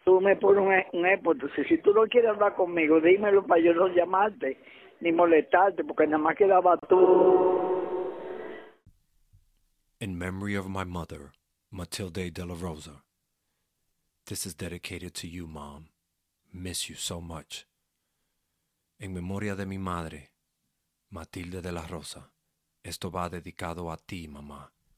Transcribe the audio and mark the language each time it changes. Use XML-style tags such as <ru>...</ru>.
<es>me pones un entonces, si tú no quieres hablar conmigo, dímelo para yo no llamarte ni molestarte, porque nada más quedaba tú.</es> <en>In memory of my mother, Matilde de la Rosa, this is dedicated to you, Mom. Miss you so much.</en> <es>En memoria de mi madre, Matilde de la Rosa, esto va dedicado a ti, mamá.</es>